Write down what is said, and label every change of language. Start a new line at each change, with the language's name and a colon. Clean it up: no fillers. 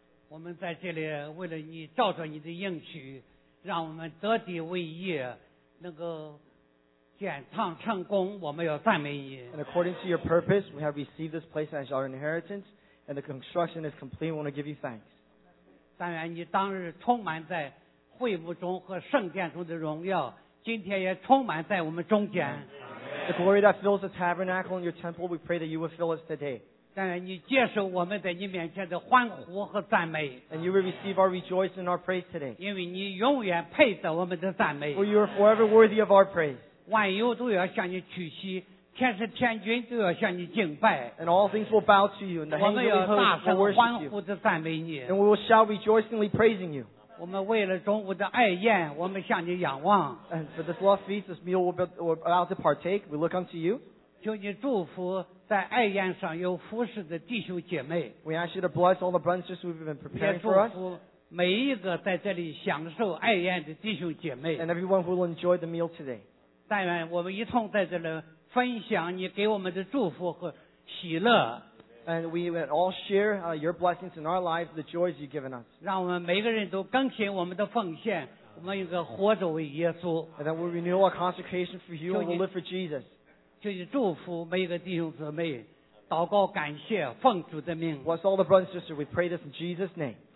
English: We are here for you, to follow your promise, let us be faithful to you. And according to your purpose, we have received this place as our inheritance, and the construction is complete. We want to give you thanks.
Chinese: 但愿你当日充满在会幕中和圣殿中的荣耀，今天也充满在我们中间。
English: The glory that fills the tabernacle and your temple, we pray that you will fill us today.
Chinese: 但愿你接受我们在你面前的欢呼和赞美。
English: And you will receive our rejoice and our praise today.
Chinese: 因为你永远配得我们的赞美。
English: For you are forever worthy of our praise.
Chinese: 万有都要向你屈膝，天使天君都要向你敬拜。
English: And all things will bow to you, and the heavenly hosts will worship you.
Chinese: 我们要大声欢呼地赞美你。
English: And we will shout rejoicingly praising you.
Chinese: 我们为了中午的爱宴，我们向你仰望。
English: And for this love feast, this meal we're about to partake, we look unto you.
Chinese: 求你祝福在爱宴上有服侍的弟兄姐妹。
English: We ask you to bless all the brothers who have been preparing for us.
Chinese: 每一个在这里享受爱宴的弟兄姐妹。
English: And everyone who will enjoy the meal today.
Chinese: 但愿我们一同在这里分享你给我们的祝福和喜乐。
English: And we will all share your blessings in our lives, the joys you've given us.
Chinese: 让我们每个人都更新我们的奉献，我们一个活着为耶稣。
English: And that we renew our consecration for you and we'll live for Jesus.
Chinese: 就是祝福每一个弟兄姊妹，祷告感谢，奉主的命。
English: Bless all the brothers and sisters, we pray this in Jesus' name.